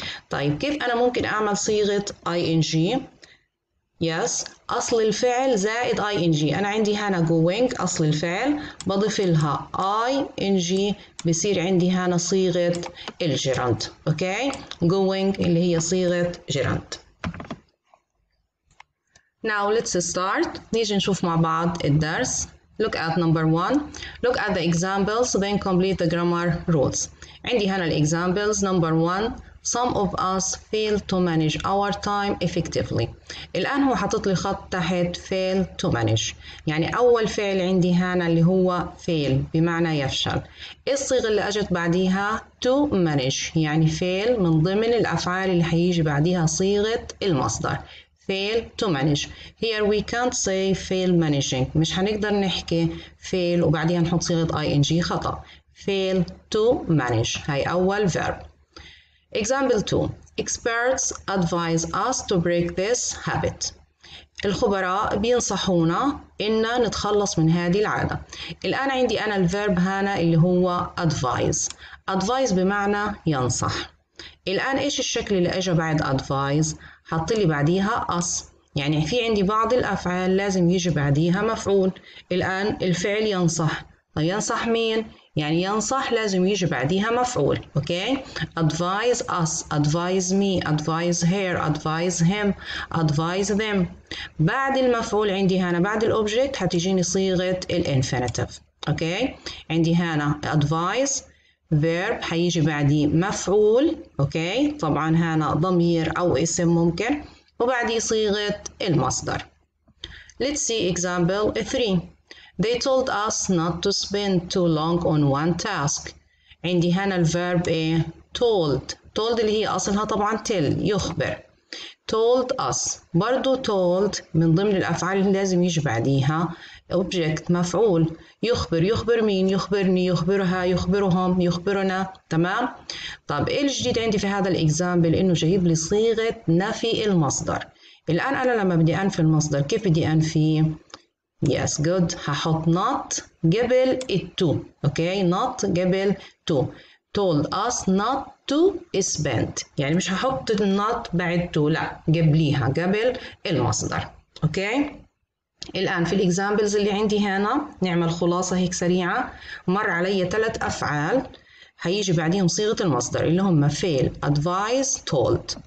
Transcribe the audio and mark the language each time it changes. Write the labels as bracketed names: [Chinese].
[Arabic] طيب كيف أنا ممكن أعمل صيغة ing؟ yes أصل الفعل زائد ing، أنا عندي هنا going أصل الفعل بضيف لها ing بصير عندي هنا صيغة الجيرند، أوكي؟ going اللي هي صيغة جيرند. [English] Now let's start، [Arabic] نيجي نشوف مع بعض الدرس. [English] Look at number one. Look at the examples, then complete the grammar rules. [Arabic] عندي هنا الـ examples. [English] Number one. Some of us fail to manage our time effectively. [Arabic] الآن هو حطت لي خط تحت fail to manage. يعني أول فعل عندي هنا اللي هو fail بمعنى يفشل. الصيغة اللي أجت بعديها to manage يعني fail من ضمن الأفعال اللي هيجي بعديها صيغة المصدر. [English] Fail to manage. Here we can't say fail managing. [Arabic] مش هنقدر نحكي fail وبعديها نحط صيغة ing خطأ. [English] Fail to manage. [Arabic] هاي أول verb. [English] Example 2. Experts advise us to break this habit. [Arabic] الخبراء بينصحونا إن نتخلص من هذه العادة. الآن عندي أنا الفيرب هنا اللي هو advise. Advise بمعنى ينصح. الآن إيش الشكل اللي أجا بعد advise؟ حط لي بعديها us. يعني في عندي بعض الأفعال لازم يجي بعديها مفعول. الآن الفعل ينصح. طيب ينصح مين؟ يعني ينصح لازم يجي بعديها مفعول، اوكي؟ [English] advise us, advise me, advise her, advise him, advise them. [Arabic] بعد المفعول عندي هنا بعد الاوبجكت حتجيني صيغة الانفينيتيف، اوكي؟ عندي هنا advise verb حيجي بعدي مفعول، اوكي؟ طبعا هنا ضمير او اسم ممكن، وبعدي صيغة المصدر. [English] Let's see example 3. They told us not to spend too long on one task. [Arabic] عندي هنا الverb told. Told اللي هي أصلها طبعا tell يخبر. [English] Told us. [Arabic] برضو told من ضمن الأفعال اللي لازم يجي بعديها object مفعول. يخبر. يخبر مين؟ يخبرني. يخبرها. يخبرهم. يخبرنا. تمام؟ طب إيه الجديد عندي في هذا الإكزامبل؟ إنه جايب لي صيغة نفي المصدر. الآن أنا لما بدي أنفي المصدر كيف بدي أنفي؟ [English] Yes, good. هحط not قبل it to. Okay, not قبل to. Told us not to spend. [Arabic] يعني مش هحط not بعد to. لا, قبليها, قبل المصدر. Okay. الآن في الإكزامبلز اللي عندي هنا نعمل خلاصة هيك سريعة. مر علي ثلاث أفعال هيجي بعديهم صيغة المصدر اللي هم fail, advise, told.